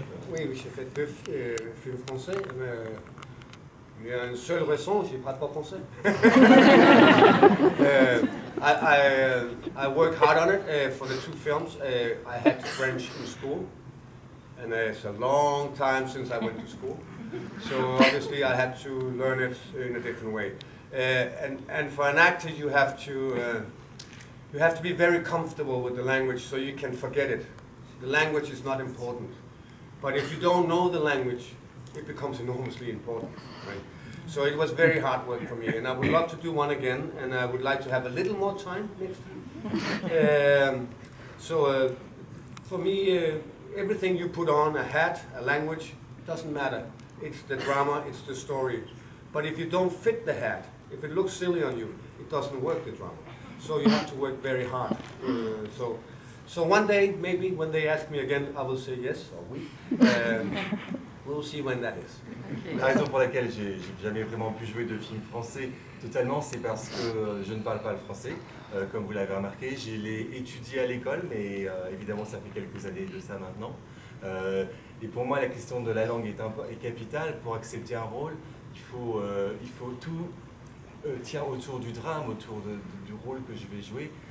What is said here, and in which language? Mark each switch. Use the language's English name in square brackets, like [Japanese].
[French] Oui, j'ai fait deux films français, mais il y a une seule raison, je ne parle pas français. [English] I work hard on it for the two films. I had French in school, and it's a long time since I went to school, so obviously I had to learn it in a different way. And for an actor, you have to be very comfortable with the language so you can forget it. The language is not important. But if you don't know the language, it becomes enormously important. Right? So it was very hard work for me, and I would love to do one again, and I would like to have a little more time next time. For me, everything you put on, a hat, a language, doesn't matter. It's the drama, it's the story. But if you don't fit the hat, if it looks silly on you, it doesn't work, the drama. So you have to work very hard. So one day, maybe when they ask me again, I will say yes, or oui. We'll see when that is. [French] Okay. La raison pour laquelle j'ai jamais vraiment pu jouer de films français, Totalement, c'est parce que je ne parle pas le français, comme vous l'avez remarqué. Je l'ai étudié à l'école, mais évidemment, ça fait quelques années de ça maintenant. Et pour moi, la question de la langue est capitale. Pour accepter un rôle, il faut tout tient autour du drame, autour du rôle que je vais jouer.